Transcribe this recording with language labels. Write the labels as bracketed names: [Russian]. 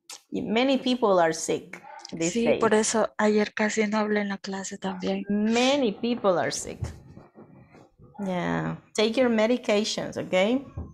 [English] Many people are sick these [Spanish] days. Sí, por eso ayer casi no hablé en la clase también. [English] Many people are sick. Yeah, take your medications, okay?